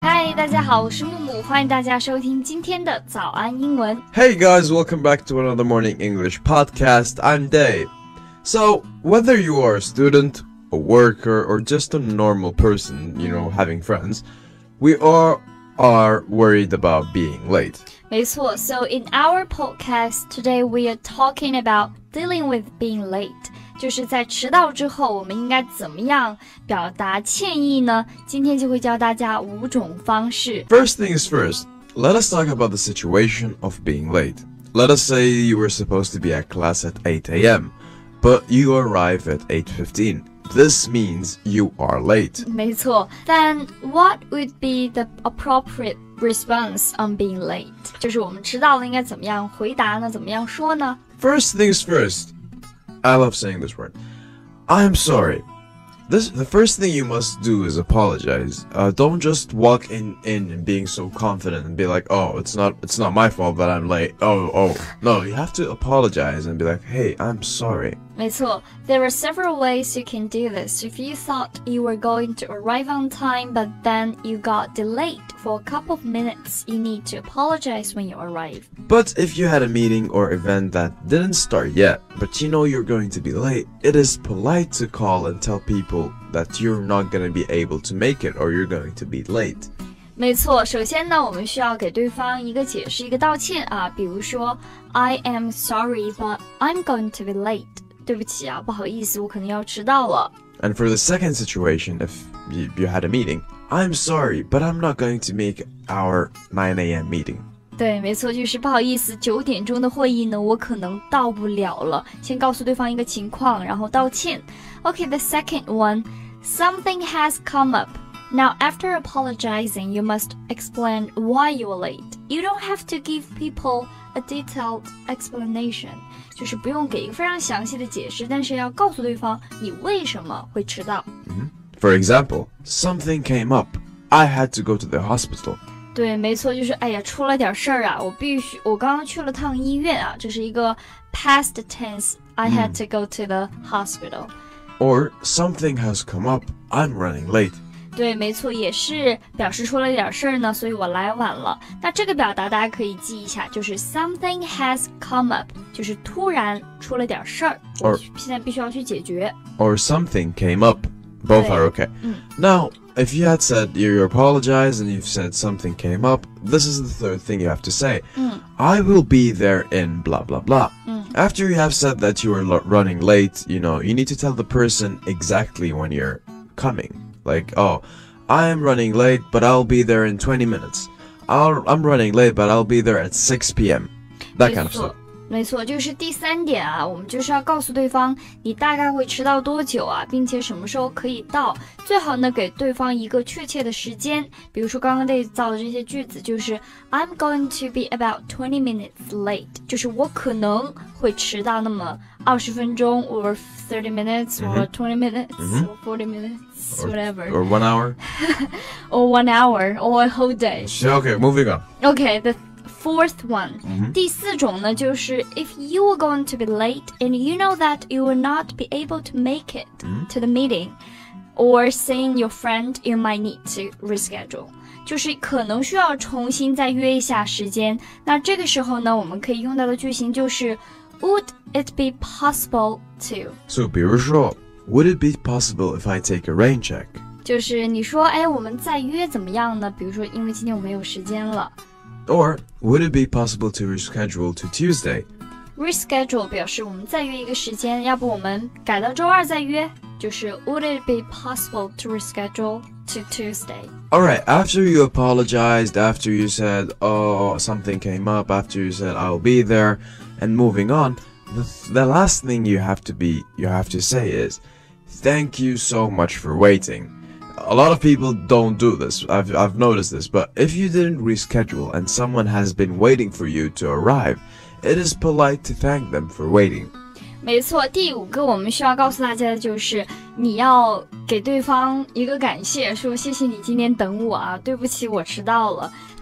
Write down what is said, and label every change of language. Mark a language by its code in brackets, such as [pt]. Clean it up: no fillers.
[zh] 嗨，大家好，我是木木，欢迎大家收听今天的早安英文。 [en] Hey guys, welcome back to another morning English podcast. I'm Dave. So, whether you are a student, a worker, or just a normal person, you know, having friends, we are worried about being late. [zh] 没错 [en] so in our podcast today, we are talking about dealing with being late. [zh] 就是在迟到之后我们应该怎么样表达歉意呢今天就会教大家五种方式 [en] First things first, let us talk about the situation of being late. Let us say you were supposed to be at class at 8 a.m, but you arrive at 8:15. This means you are late. [zh] 没错 [en] Then what would be the appropriate response on being late? [zh] 就是我们迟到了应该怎么样回答呢怎么样说呢 [en] First things firstI love saying this word. I'm sorry. The first thing you must do is apologize. Don't just walk in and being so confident and be like, oh, it's not my fault that I'm late. Oh. No, you have to apologize and be like, hey, I'm sorry. [zh] 没错 [en] There are several ways you can do this. If you thought you were going to arrive on time, but then you got delayed for a couple of minutes, you need to apologize when you arrive. But if you had a meeting or event that didn't start yet, but you know you're going to be late, it is polite to call and tell people that you're not going to be able to make it or you're going to be late. [zh] 没错首先呢我们需要给对方一个解释一个道歉啊比如说 [en] I am sorry, but I'm going to be late. [zh] 对不起啊不好意思我可能要迟到了。 [en] And for the second situation, if you had a meeting, I'm sorry, but I'm not going to make our 9 a.m. meeting. [zh] 对没错就是不好意思9点钟的会议呢我可能到不了了。先告诉对方一个情况然后道歉。 [en] Okay, the second one, something has come up. Now, after apologizing, you must explain why you were late. You don't have to give people a detailed explanation. [zh] 就是不用给一个非常详细的解释，但是要告诉对方你为什么会迟到。 [en] For example, something came up. I had to go to the hospital. [zh] 对，没错，就是哎呀，出了点事儿啊，我刚刚去了趟医院啊，这是一个 past tense. [en] I had to go to the hospital. Or something has come up. I'm running late. [zh] 对没错也是表示出了点事儿呢所以我来晚了那这个表达大家可以记一下就是 [en] something has come up [zh] 就是突然出了点事儿 [en] or, [zh] 现在必须要去解决 [en] or something came up both are okay、now if you had said you apologize and you've said something came up this is the third thing you have to say、I will be there in blah blah blah、after you have said that you are running late you know you need to tell the person exactly when you're comingLike, oh, I am running late, but I'll be there in 20 minutes. I'm running late, but I'll be there at 6 p.m. That kind of stuff. [zh] 没错，就是第三点啊，我们就是要告诉对方你大概会迟到多久啊，并且什么时候可以到。最好呢，给对方一个确切的时间。比如说刚刚 Dave 造的这些句子就是 [en] I'm going to be about 20 minutes late. [zh] 就是我可能会迟到那么20分钟 [en] or 30 minutes or 20 minutes or 40 minutes whatever or 1 hour or 1 hour or a whole day okay moving on okay the fourth one、 [zh] 第四种呢就是 [en] if you are going to be late and you know that you will not be able to make it、to the meeting or seeing your friend you might need to reschedule [zh] 就是可能需要重新再约一下时间那这个时候呢我们可以用到的句型就是 [en] Would it be possible to? So, [zh] 比如说 [en] would it be possible if I take a rain check? [zh] 就是你说哎我们再约怎么样呢比如说因为今天我没有时间了。 [en] Or, would it be possible to reschedule to Tuesday? [zh] Reschedule 表示我们再约一个时间要不我们改到周二再约就是 [en] would it be possible to reschedule to Tuesday? Alright, after you apologized, after you said, oh, something came up, after you said, I'll be there,And moving on, the last thing you have to say is, thank you so much for waiting. A lot of people don't do this, I've noticed this, but if you didn't reschedule and someone has been waiting for you to arrive, it is polite to thank them for waiting. [zh] 没错第五个我们需要告诉大家的就是你要给对方一个感谢说谢谢你今天等我啊对不起我迟到了。